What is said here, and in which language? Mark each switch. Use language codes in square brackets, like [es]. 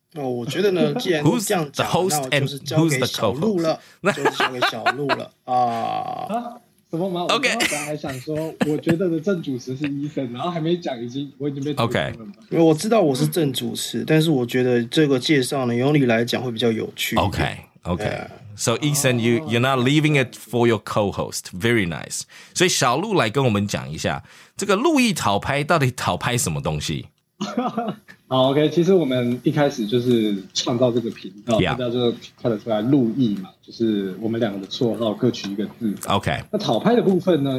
[zh] 哦，我觉得呢，既然这样讲，那我就是交给小鹿了，就是交给小鹿了啊。什么吗 [en] ？OK， [zh] 我刚才还想说，我觉得的正主持是医生，然后还没讲，我已经被了 OK，因为我知道我是正主持，但是我觉得这个介绍呢，用你来讲会比较有趣。 [en] OK，OK、okay, okay.。 So Ethan, you're not leaving it for your co-host. Very nice. [zh] 所以小鹿来跟我们讲一下，这个陆毅讨拍到底讨拍什么东西？好 ，OK。其实我们一开始就是创造这个频道，大家就看得出来陆毅嘛，就是我们两个的绰号各取一个字。 [en] OK。 [zh] 那讨拍的部分呢？